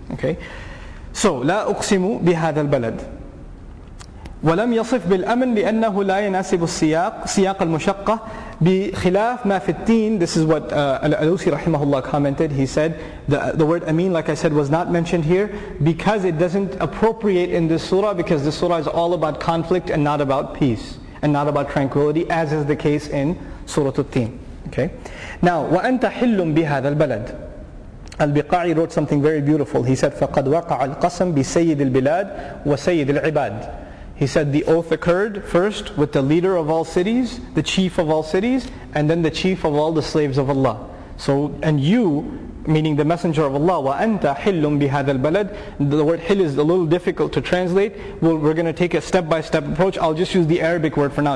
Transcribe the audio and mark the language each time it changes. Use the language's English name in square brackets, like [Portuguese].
[English] Okay? So, [Arabic] لَا أُقْسِمُ بِهَذَا الْبَلَدْ وَلَمْ يَصِفْ بِالْأَمْنِ لِأَنَّهُ لَا يَنَاسِبُ السِّيَاقَ الْمُشَقَّةِ بِخِلَافْ مَا فِي الدِّينِ. [English] This is what Al-Alusi rahimahullah commented. He said, the word Amin, like I said, was not mentioned here because it doesn't appropriate in this surah, because this surah is all about conflict and not about peace and not about tranquility, as is the case in Surah At-Tin. Okay? Now, [Arabic] وَأَنْتَ حِلٌّ بِهَذَا الْبَلَدِ. [English] Al-Biqa'i wrote something very beautiful. He said, [Arabic] فَقَدْ وَقَعَ الْقَسَمْ بِسَيِّدِ الْبِلَادِ وَسَيِّدِ الْعِبَادِ. [English] He said the oath occurred first with the leader of all cities, the chief of all cities, and then the chief of all the slaves of Allah. So, and you, meaning the messenger of Allah, [Arabic] وَأَنْتَ حِلٌّ بِهَذَا الْبَلَدِ. [English] The word hil is a little difficult to translate. We're going to take a step-by-step approach. I'll just use the Arabic word for now.